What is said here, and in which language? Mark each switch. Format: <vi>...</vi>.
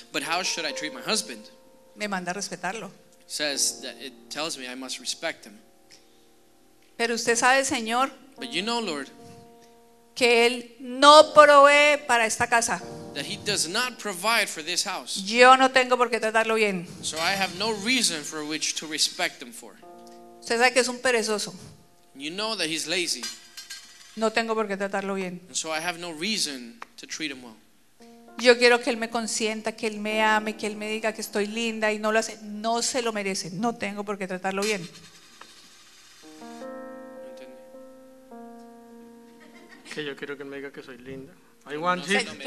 <en>But how should I treat my husband?</en> <es>Me manda a respetarlo.</es> <en>Says that it tells me I must respect him.</en> <es>Pero usted sabe, Señor,</es> <en>but you know, Lord,</en> <es>que él no provee para esta casa.</es> <en>That he does not provide for this house.</en> <es>Yo no tengo por qué tratarlo bien.</es> <en>So I have no reason for which to respect him for.</en> <es>Usted sabe que es un perezoso.</es> <en>You know that he's lazy.</en> <es>No tengo por qué tratarlo bien.</es> <en>And so I have no reason to treat him well.</en> <es>Yo quiero que él me consienta, que él me ame, que él me diga que estoy linda y no lo hace. No se lo merece. No tengo por qué tratarlo bien. Que yo quiero que él me diga que soy linda.</es> <en>I want him.</en>